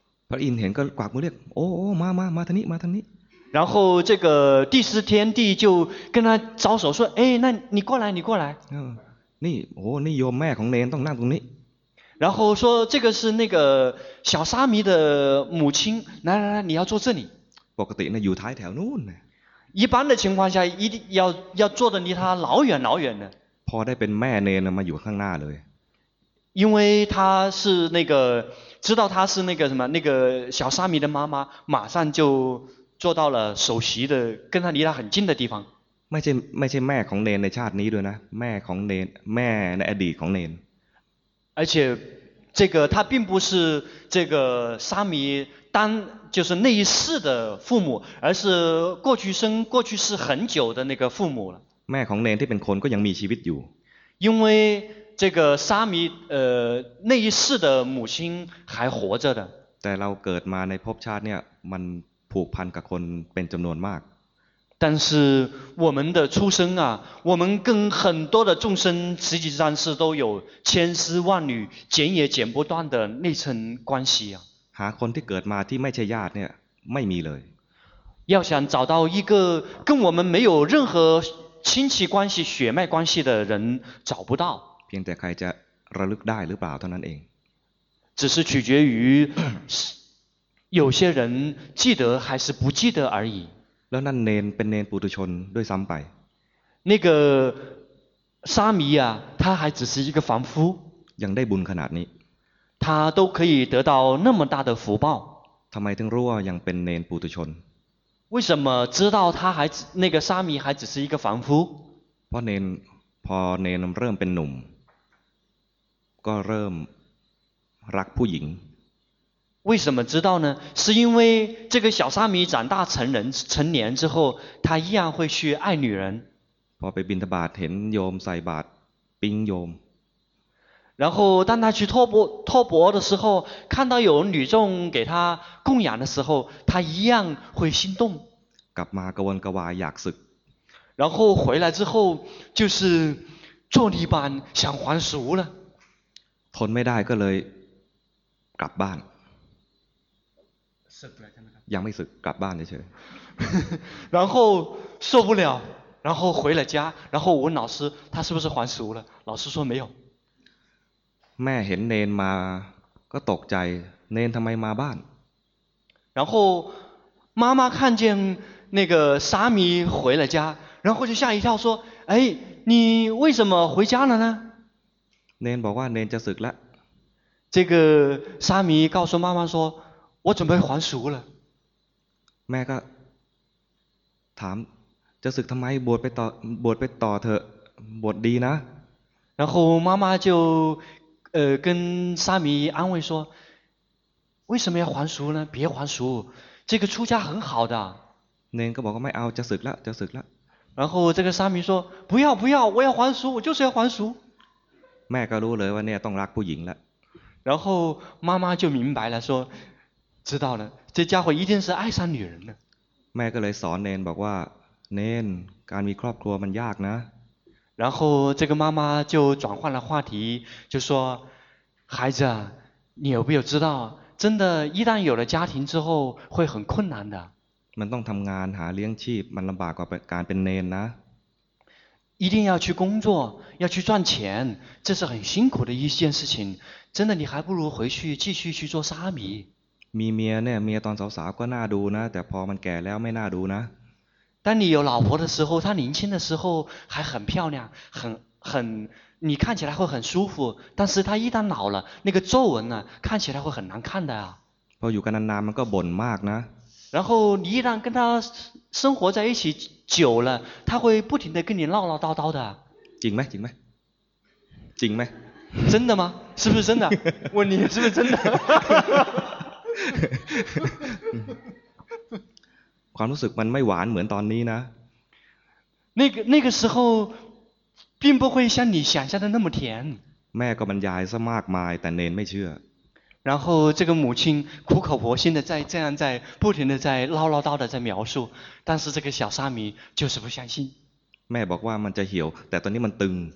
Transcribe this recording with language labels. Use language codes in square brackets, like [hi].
[th] พระอินทร์เห็นก็กวักมือเรียกโอ้มาทางนี้มาทางนี้ [zh] 然后这个第十天帝就跟他招手说哎那你过来你过来 [th] นี่โอ้นี่โยมแม่ของเนนต้องนั่งตรงนี้ [zh] 然后说这个是那个小沙弥的母亲来你要坐这里 [th] ปกตินะอยู่ท้ายแถวนู่นนะ [zh] 一般的情况下一定要坐的离他老远老远的 [th] พอได้เป็นแม่เนนมาอยู่ข้างหน้าเลย [zh] 因为他是那个知道他是那个什么那个小沙弥的妈妈马上就坐到了首席的跟他离他很近的地方 [th] ไม่ใช่แม่ของเนนในชาตินี้ด้วยนะแม่ของเนนแม่ในอดีตของเนน [zh] 而且这个他并不是这个沙弥当就是那一世的父母而是过去生过去世很久的那个父母了 [th] แม่ของเนนที่เป็นคนก็ยังมีชีวิตอยู่ [zh] 因为这个沙弥那一世的母亲还活着的 [th] แต่เราเกิดมาในภพชาติเนี่ยมันผูกพันกับคนเป็นจำนวนมาก [zh] 但是我们的出生啊我们跟很多的众生实际上是都有千丝万缕剪也剪不断的那层关系啊 [th] หาคนที่เกิดมาที่ไม่ใช่ญาติเนี่ยไม่มีเลย [zh] 要想找到一个跟我们没有任何亲戚关系血脉关系的人找不到 [th] เพียงแต่ใครจะระลึกได้หรือเปล่าเท่านั้นเอง [zh] 只是取决于有些人记得还是不记得而已。 [th] แล้วนั่นเนนเป็นเนนปุถุชนด้วยซ้ำไป [zh] 那个沙弥啊，他还只是一个凡夫。 [th] ยังได้บุญขนาดนี้ [zh] 他都可以得到那么大的福报。 [th] ทำไมถึงรู้ว่ายังเป็นเนนปุถุชน？ [zh] 为什么知道他还那个沙弥还只是一个凡夫？ [th] เพราะเนนพอเนนเริ่มเป็นหนุ่มก็เริ่มรักผู้หญิง [zh] 为什么知道呢？是因为这个小沙弥长大成人成年之后，他依然会去爱女人。 [th] พอไปบิณฑบาตเห็นโยมใส่บาตรปิ้งโยม [zh] 然后当他去托钵的时候，看到有女众给他供养的时候，他一样会心动。 [th] กลับมากระวนกระวายอยากศึก [zh] 然后回来之后就是坐立不安想还俗了。 [th] ทนไม่ได้ก็เลยกลับบ้านยังไม่ศึกกลับบ้านเฉย [zh] 然后受不了然后回了家然后我问老师他是不是还俗了老师说没有 [th] แม่เห็นเนนมาก็ตกใจเนนทำไมมาบ้าน [zh] 然后妈妈看见那个沙弥回了家然后就吓一跳说哎你为什么回家了呢 [th] เนนบอกว่าเนนจะศึกแล้ว [zh] 这个沙弥告诉妈妈说我准备还俗了 [th] แม่ก็ถามจะศึกทำไมบวชไปต่อเถอะบวชดีนะ [zh] 然后妈妈就跟沙弥安慰说为什么要还俗呢别还俗这个出家很好的 [th] เนนก็บอกว่าไม่เอาจะศึกละจะศึกละ [zh] 然后这个沙弥说不要不要我要还俗我就是要还俗 [th] แม่ก็รู้เลยว่าเนี่ยต้องรักผู้หญิงละ [zh] 然后妈妈就明白了说知道了这家伙一定是爱上女人了 [th] แม่ก็เลยสอนเนนบอกว่าเนนการมีครอบครัวมันยากนะ [zh] 然后这个妈妈就转换了话题就说孩子你有没有知道真的一旦有了家庭之后会很困难的 [th] มันต้องทำงานหาเลี้ยงชีพมันลำบากกว่าการเป็นเนนนะ [zh] 一定要去工作要去赚钱这是很辛苦的一件事情真的你还不如回去继续去做沙弥 [th] มีเมียเนี่ยเมียตอนสาวๆก็น่าดูนะแต่พอมันแก่แล้วไม่น่าดูนะ [zh] 当你有老婆的时候她年轻的时候还很漂亮很你看起来会很舒服但是她一旦老了那个皱纹呢看起来会很难看的啊 [th] พออยู่กันนานๆมันก็บ่นมากนะ [zh] 然后你一旦跟她生活在一起久了她会不停地跟你唠唠叨叨的 [th] จริงไหมจริงไหมจริงไหม [zh] 真的吗是不是真的问你是不是真的 [th] ความรู้สึกมันไม่หวานเหมือนตอนนี้นะ [zh] 那个时候并不会像你想象的那么甜 [th] แม่ก็บรรยายซะมากมายแต่เนนไม่เชื่อ [zh] 然后这个母亲苦口婆心的在这样在不停的在唠唠叨的在描述但是这个小沙弥就是不相信 [th] แม่บอกว่ามันจะเหี่ยวแต่ตอนนี้มันตึง